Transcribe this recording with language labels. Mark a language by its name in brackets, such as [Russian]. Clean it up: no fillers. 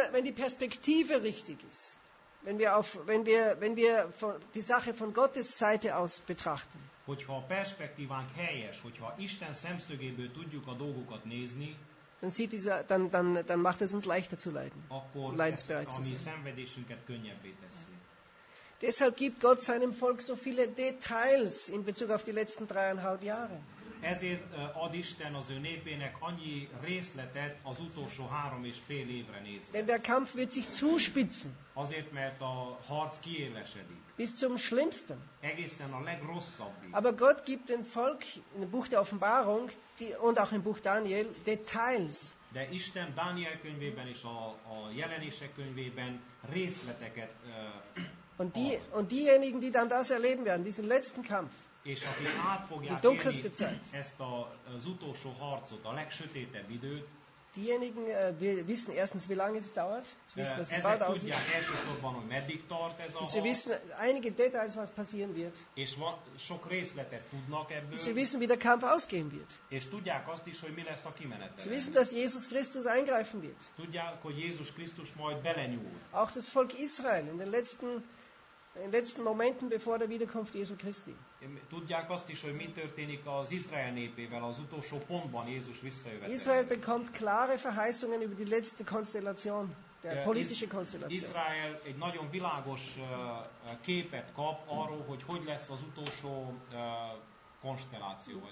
[German] Wenn die Perspektive richtig ist, wenn wir die Sache von Gottes Seite aus betrachten, [Hungarian] hogyha a perspektívánk helyes, hogyha Isten szemszögéből tudjuk a dolgokat nézni, [German] dann sieht dieser, dann macht es uns leichter zu leiden. [Hungarian] Akkor [German] leidensbereit [Hungarian] ami szenvedésünket könnyebbé teszi. [German] Deshalb gibt Gott seinem Volk so viele Details in Bezug auf die letzten 3,5 Jahre. [Hungarian] Ezért ad Isten az ő népének annyi részletet az utolsó 3,5 évre nézve. [German] Denn der Kampf wird sich zuspitzen. [Hungarian] Azért, mert a harc kiélesedik. [German] Bis zum Schlimmsten. [Hungarian] Egészen a legrosszabbig. [German] Aber Gott gibt dem Volk in dem Buch der Offenbarung und auch im Buch Daniel Details. [Hungarian] De Isten Dániel könyvében és a jelenések könyvében részleteket [German] und die, und diejenigen, die dann das erleben werden, diesen letzten Kampf, [Hungarian] és akik át fogják élni ezt az utolsó harcot, a legsötétebb időt, [German] diejenigen wissen erstens, wie lange es dauert. [Hungarian] Ezek tudják elsősorban, hogy meddig tart ez a harc. [German] Sie wissen einige Details, was passieren wird. [Hungarian] És sok részletet tudnak ebből. [German] Sie wissen, wie der Kampf ausgehen wird. [Hungarian] És tudják azt is, hogy mi lesz a kimenetele. [German] Sie wissen, dass Jesus Christus eingreifen wird. [Hungarian] Tudják, hogy Jézus Krisztus majd belenyúl. [German] Auch das Volk Israel in den letzten Momenten bevor der Wiederkunft Jesu Christi. [Hungarian] Tudják azt is, hogy mi történik az Izrael népével az utolsó pontban Jézus visszajövetelével. [German] Israel bekommt klare Verheißungen über die letzte Konstellation, der politische Konstellation. [Hungarian] Israel egy nagyon világos képet kap arról, hogy hogy lesz az utolsó konstelláció.